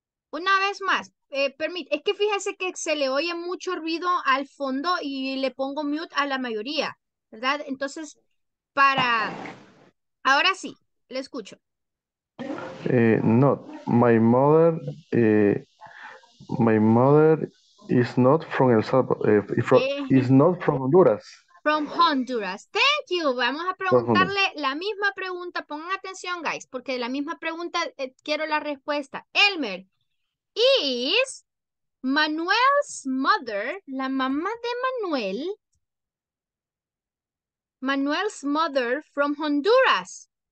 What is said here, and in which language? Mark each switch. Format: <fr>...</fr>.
<es>Una vez más, es que fíjese que se le oye mucho ruido al fondo y le pongo mute a la mayoría, ¿verdad? Entonces, ahora sí, le escucho.</es> <en>No, my mother is not from El Salvador, is not from Honduras. From Honduras. Thank you.</en> <es>Vamos a preguntarle la misma pregunta. Pongan atención, guys, porque de la misma pregunta quiero la respuesta.</es> <en>Elmer, is Manuel's mother,</en> <es>la mamá de Manuel,</es> <en>Manuel's mother from Honduras?</en>